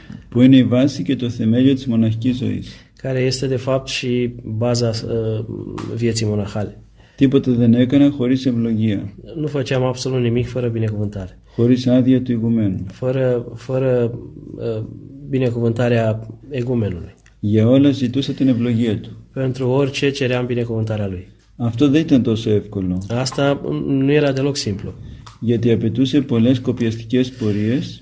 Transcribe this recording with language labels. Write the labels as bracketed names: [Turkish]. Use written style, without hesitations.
[Greek] Που είναι η βάση και το θεμέλιο της μοναχικής ζωής. [Romanian] Care este de fapt și baza vieții monahale. [Greek] Τίποτα δεν έκανα χωρίς ευλογία. [Romanian] Nu făceam absolut nimic fără binecuvântare. [Greek] Χωρίς άδεια του ηγουμένου. [Romanian] Fără binecuvântarea ηγουμένului. [Greek] Για όλα ζητούσα την ευλογία του. [Romanian] Pentru orice ceream binecuvântarea lui. [Greek] Αυτό δεν ήταν τόσο εύκολο. [Romanian] Asta nu era deloc simplu. [Greek] Γιατί απαιτούσε πολλές κοπιαστικές πορείες.